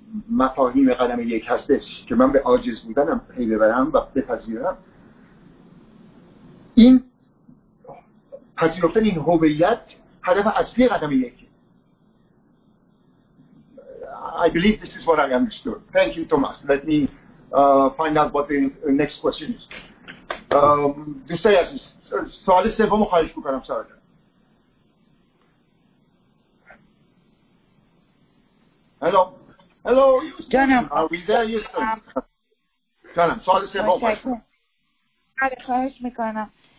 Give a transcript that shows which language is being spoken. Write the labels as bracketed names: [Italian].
[Persian] مفاهیم قدم یک هستش که من به عاجز بودنم پی ببرم و بپذیرم، این پذیرفتن این هویت هدف اصلی قدم یک. [English] I believe this is what I understood. Thank you, Thomas. Let me find out what the next question is. [Persian] دوستای عزیز، سوال سومو خواهش بکنم. سوال جان. [English] Hello. Hello, [Persian] جانم. [English] Are we there, Houston? [Persian] جانم، سوال سوم خواهش بکنم. خواهش میکنم.